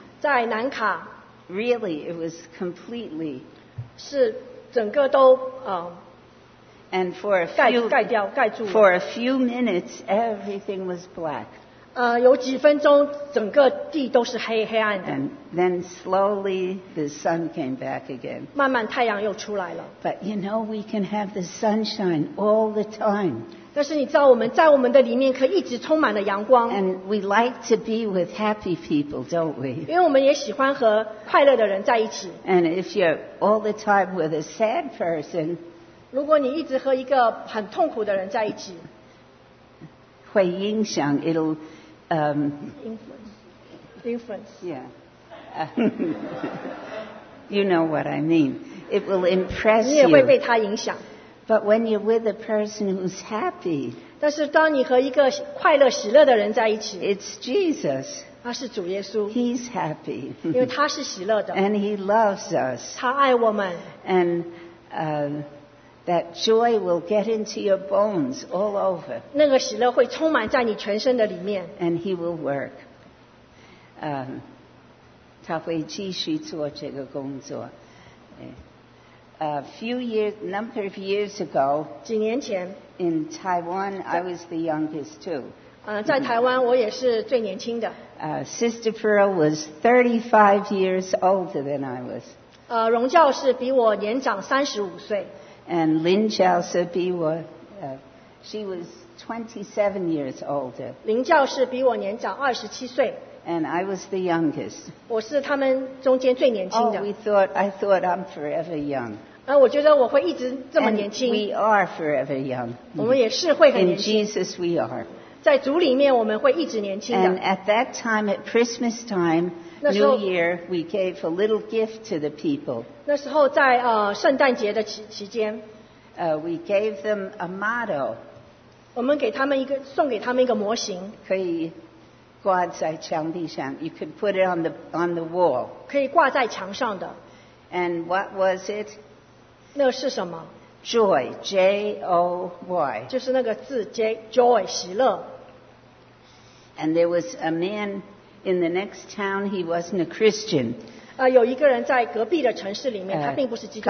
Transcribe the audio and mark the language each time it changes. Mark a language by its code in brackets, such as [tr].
[zh] 在南卡。 [en] Really, it was completely. [zh] 是整个都 [en] And for a few [zh] 盖住。 [en] For a few minutes, everything was black. [zh] 有几分钟，整个地都是黑暗的。 [en] And then slowly the sun came back again. [zh] 慢慢太阳又出来了。 [en] But you know, we can have the sunshine all the time. [zh] 但是你知道我们在我们的里面可以一直充满了阳光。 [en] And we like to be with happy people, don't we? [zh] 因为我们也喜欢和快乐的人在一起。 [en] And if you're all the time with a sad person, [zh] 如果你一直和一个很痛苦的人在一起，会影响 [en] it'll influence. Yeah. you know what I mean? It will impress you. [zh] 你也会被他影响。 [en] But when you're with a person who's happy, [zh] 但是当你和一个快乐喜乐的人在一起， [en] it's Jesus. [zh] 他是主耶稣。 [en] He's happy. [zh] 因为他是喜乐的。 [en] And he loves us. [zh] 他爱我们。 [en] And that joy will get into your bones all over. [zh] 那个喜乐会充满在你全身的里面。 [en] And he will work. [zh] 他会继续做这个工作。 [en] A number of years ago, [zh] 几年前, [en] in Taiwan, I was the youngest too. [zh] 在台湾我也是最年轻的。 [en] Sister Pearl was 35 years older than I was. [zh] 荣教是比我年长35岁。 [en] And Lin Chao [zh] 是比我, [en] she was 27 years older. [zh] 林教是比我年长27岁。 [en] And I was the youngest. [zh] 我是他们中间最年轻的。 [en] Oh, I thought I'm forever young. [zh] 我觉得我会一直这么年轻。 [en] And we are forever young. [zh] 我们也是会很年轻。 [en] In Jesus we are. [zh] 在主里面我们会一直年轻的。 [en] And at that time, at Christmas time, New Year, we gave a little gift to the people. [zh] 那时候在圣诞节的期间。 [en] We gave them a motto. [zh] 我们给他们一个，送给他们一个模型。可以。挂在墙壁上 [en] ，you could put it on the wall. [zh] 可以挂在墙上的。 [en] And what was it? [zh] 那是什么 [en] ？Joy, J O Y. [zh] 就是那个字 ，joy, 喜乐。 [en] And there was a man in the next town. He wasn't a Christian. [zh] 有一个人在隔壁的城市里面，他并不是基督徒。